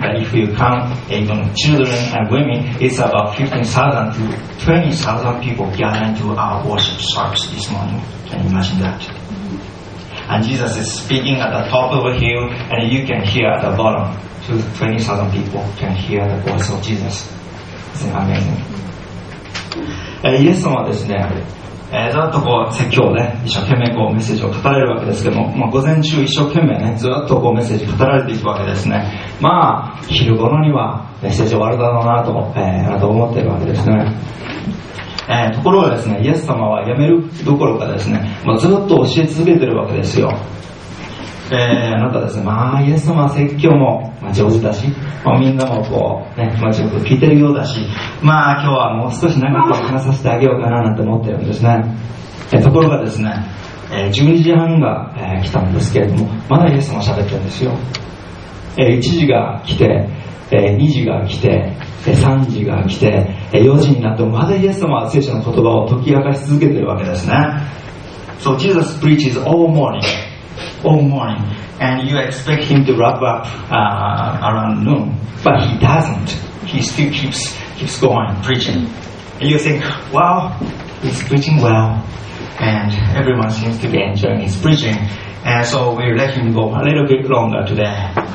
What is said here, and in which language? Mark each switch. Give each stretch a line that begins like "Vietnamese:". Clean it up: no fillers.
English: But if you count even children and women, it's about 15,000 to 20,000 people gathering to our worship service this morning. Can you imagine that? And Jesus is speaking at the top of a hill, and you can hear at the bottom. So 20,000 people can hear the voice of Jesus. Isn't amazing?
Japanese: イエス様はですね、ずっとこう説教をね、一生懸命こうメッセージを語られるわけですけども、まあ、午前中一生懸命ね、ずっとこうメッセージ語られていくわけですね。まあ昼頃にはメッセージ終わるだろうなと、思っているわけですね。ところがですね、イエス様はやめるどころかですね、まあ、ずっと教え続けているわけですよ。あなたですね、まあイエス様は説教も上手だし、まあ、みんなもこうね、気持ちよく聞いてるようだし、まあ今日はもう少し長く話させてあげようかななんて思ってるんですね。ところがですね、12時半が、来たんですけれども、まだイエス様喋ってるんですよ。 1時が来て、2時が来て、3時が来て、4時になってもまだイエス様は聖書の言葉を解き明かし続けてるわけですね。
English: So Jesus preaches all morningAll morning, and you expect him to wrap up around noon, but he doesn't. He still keeps going preaching. And you think, well, he's preaching well, and everyone seems to be enjoying his preaching, and so we let him go a little bit longer today.